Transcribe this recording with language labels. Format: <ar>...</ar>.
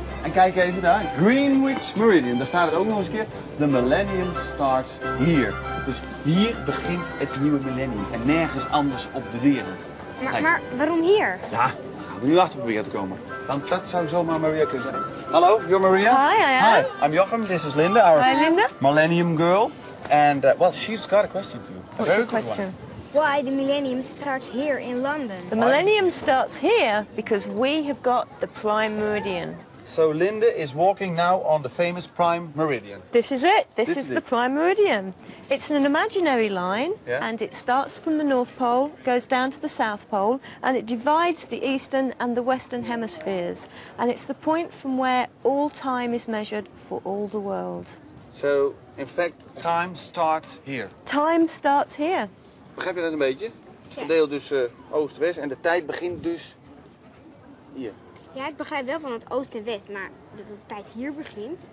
<nl>En kijk even daar, Greenwich Meridian, daar staat het ook nog eens een keer.</nl> <en>The millennium starts here.</en> <nl>Dus hier begint het nieuwe millennium en nergens anders op de wereld. Maar waarom hier? Ja, gaan we nu achter proberen te komen. Want dat zou zomaar Maria kunnen zijn.</nl> <en>Hallo, you're Maria. Hi, hi. Hi, I'm Jochem, this is Linda. Hi, Linda. Millennium girl. And, well, she's got a question for you. A What's very your question? One. Why the millennium starts here in London? The millennium starts here because we have got the prime meridian. So Linda is walking now on the famous prime meridian. This is it. This is the prime meridian. It's an imaginary line, yeah. And it starts from the North Pole, goes down to the South Pole, and it divides the eastern and the western hemispheres. And it's the point from where all time is measured for all the world. So, in fact, time starts here. Time starts here.</en> <nl>Begrijp je dat een beetje? Het verdeelt dus oost-west en de tijd begint dus hier. Ja, ik begrijp wel van het oost en west, maar dat de tijd hier begint.</nl>